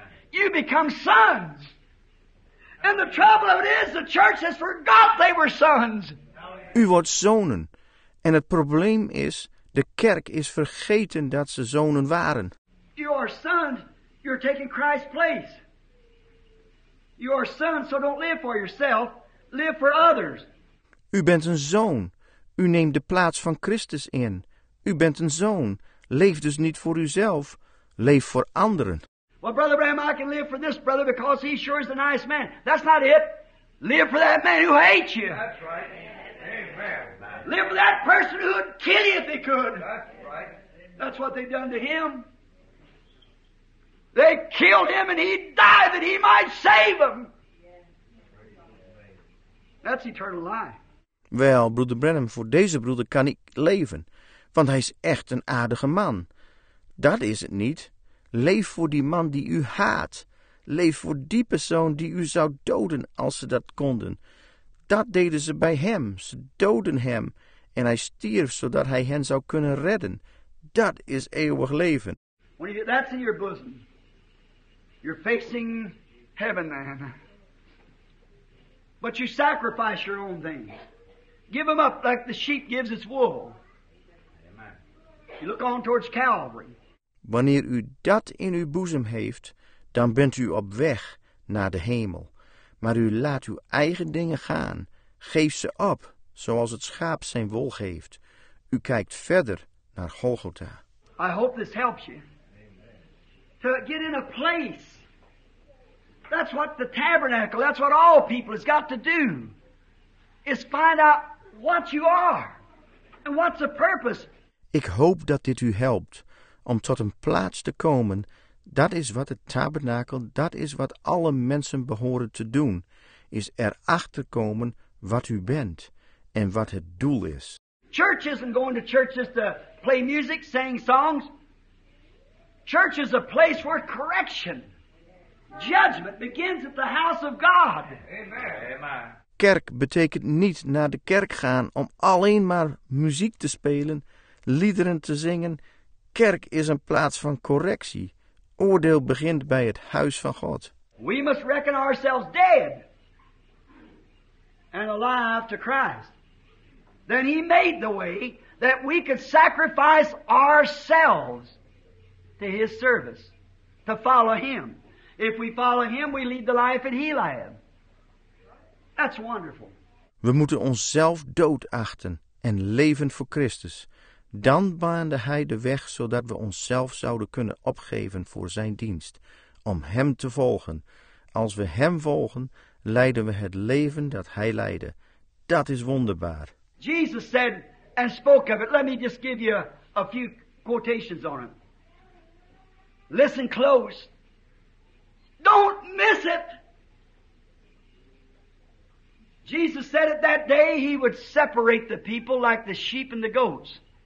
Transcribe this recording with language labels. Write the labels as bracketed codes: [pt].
[en] You become sons. And the trouble of it is, the church has forgot they were sons. [nl] U wordt zonen. En het probleem is, de kerk is vergeten dat ze zonen waren. [en] You are sons, you're taking Christ's place. You are sons, so don't live for yourself, live for others. [nl] U bent een zoon. U neemt de plaats van Christus in. U bent een zoon. Leef dus niet voor uzelf, leef voor anderen. [en] Well, Brother Bram, I can live for this brother because he sure is a nice man. That's not it. Live for that man who hates you. That's right. Amen. Live for that person who would kill you if he could. That's right. That's what they've done to him. They killed him and he died that he might save them. That's eternal life. [nl] Wel, broeder Branham, voor deze broeder kan ik leven, want hij is echt een aardige man. Dat is het niet. Leef voor die man die u haat. Leef voor die persoon die u zou doden als ze dat konden. Dat deden ze bij hem. Ze doden hem. En hij stierf zodat hij hen zou kunnen redden. Dat is eeuwig leven. [en] That's in your bosom. You're facing heaven, man. But you sacrifice your own things. Give them up like the sheep gives its wool. Amen. You look on towards Calvary. [nl] Wanneer u dat in uw boezem heeft, dan bent u op weg naar de hemel. Maar u laat uw eigen dingen gaan. Geef ze op, zoals het schaap zijn wol geeft. U kijkt verder naar Golgotha. [en] I hope this helps you. To get in a place. That's what the tabernacle, that's what all people has got to do. Is find out what you are. And what's the purpose. [nl] Ik hoop dat dit u helpt. Om tot een plaats te komen, dat is wat het tabernakel, dat is wat alle mensen behoren te doen, is erachter komen wat u bent en wat het doel is. [en] Church isn't going to church just to play music, sing songs. Church is a place where correction, judgment begins at the house of God. Amen. [nl] Kerk betekent niet naar de kerk gaan om alleen maar muziek te spelen, liederen te zingen. Kerk is een plaats van correctie. Oordeel begint bij het huis van God. [en] We must reckon ourselves dead and alive to Christ. Then he made the way that we could sacrifice ourselves to his service, to follow him. If we follow him, we lead the life that he led. That's wonderful. [nl] We moeten onszelf dood achten en leven voor Christus. Dan baande hij de weg zodat we onszelf zouden kunnen opgeven voor zijn dienst, om hem te volgen. Als we hem volgen, leiden we het leven dat hij leidde. Dat is wonderbaar. [en] Jesus said and spoke of it. Let me just give you a few quotations on it. Listen close. Don't miss it. Jesus said it that day he would separate the people like the sheep and the goats.